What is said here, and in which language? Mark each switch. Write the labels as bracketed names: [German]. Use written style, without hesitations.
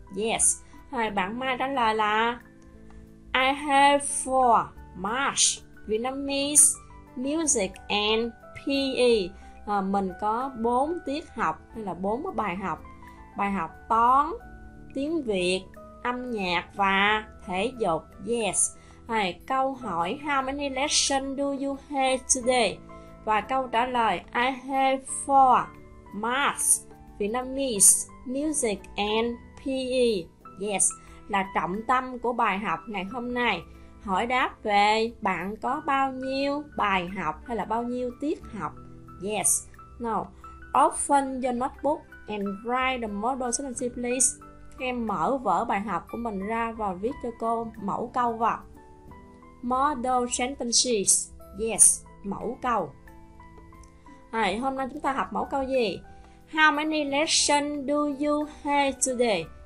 [Vietnamese] Yes. Rồi bạn Mai trả lời là [English] I have 4 March Vietnamese Music and PE. [Vietnamese] Mình có 4 tiết học hay là 4 bài học. Bài học toán, tiếng Việt, âm nhạc và thể dục. [English] Yes. [Vietnamese] Rồi, câu hỏi [English] how many lessons do you have today? [Vietnamese] Và câu trả lời [English] I have 4 Maths, Vietnamese, Music and PE. [Vietnamese] Yes, là trọng tâm của bài học ngày hôm nay. Hỏi đáp về bạn có bao nhiêu bài học hay là bao nhiêu tiết học. [English] Yes, no. Open your notebook and write the model sentence please. [Vietnamese] Em mở vở bài học của mình ra và viết cho cô mẫu câu vào. [English] Model sentences. Yes, [Vietnamese] mẫu câu. Rồi, hôm nay chúng ta học mẫu câu gì? [English] How many lessons do you have today?